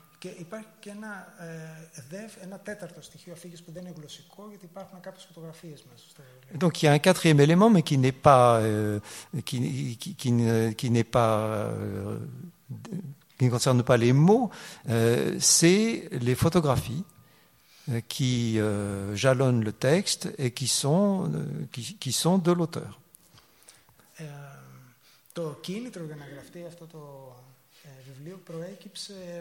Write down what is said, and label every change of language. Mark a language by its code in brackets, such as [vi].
[el] Και υπάρχει και ένα δεύ, ένα τέταρτο στοιχείο αφήγησης που δεν είναι γλωσσικό, γιατί υπάρχουν κάποιες φωτογραφίες μέσα στο βιβλίο. [fr] Donc il y a un quatrième élément mais qui n'est pas qui n'est pas qui ne concerne pas les mots, c'est les photographies qui jalonnent le texte et qui sont de l'auteur. [el] Το κίνητρο για να γραφτεί αυτό το βιβλίο προέκυψε